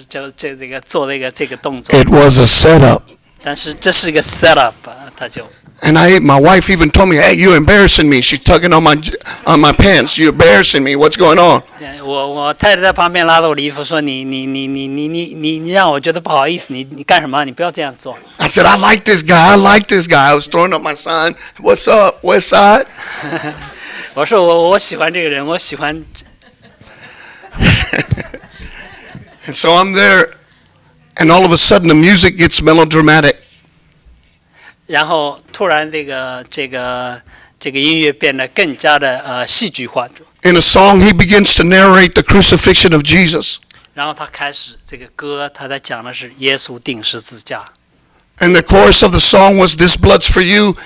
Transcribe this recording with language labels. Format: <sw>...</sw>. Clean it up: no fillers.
<zh>所以我觉得，哎，这个蛮好的话，我就开始做这个动作。</zh> <en>It was a setup.</en> <zh>但是这是一个 setup， 他就。</zh> <en>And my wife even told me, "Hey, you're embarrassing me." She's tugging on my pants. You're embarrassing me. What's going on?</en> <zh>我太太在旁边拉着我的衣服说，你让我觉得不好意思。你干什么？你不要这样做。</zh> <en>I said, "I like this guy. I like this guy." I was throwing up my sign. What's up, West Side?</en> <zh>我说我喜欢这个人，我喜欢。</zh> <en>And so I'm there, and all of a sudden the music gets melodramatic.</en> <zh>然后突然这个音乐变得更加的戏剧化。</zh> <en>In a song, he begins to narrate the crucifixion of Jesus.</en> <zh>然后他开始这个歌，他在讲的是耶稣钉十字架。</zh> <en>And the chorus of the song was, "This blood's for you.</en>